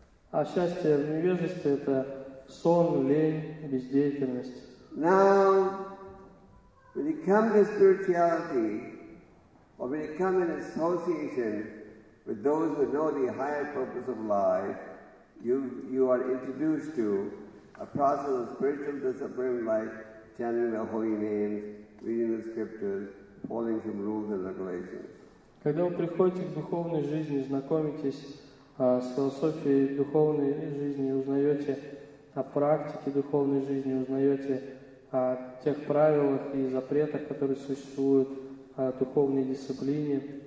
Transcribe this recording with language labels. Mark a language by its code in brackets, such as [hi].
[ru] А счастье в невежестве – это сон, лень, бездеятельность. [en] Now, when you come to spirituality, or when you come in association, with those who know the higher purpose of life, you are introduced to a process of spiritual discipline like chanting the holy names, reading the scriptures, following some rules and regulations. [ru] Когда вы приходите к духовной жизни, знакомитесь с философией духовной жизни, узнаете о практике духовной жизни, узнаете о тех правилах и запретах, которые существуют в духовной дисциплине.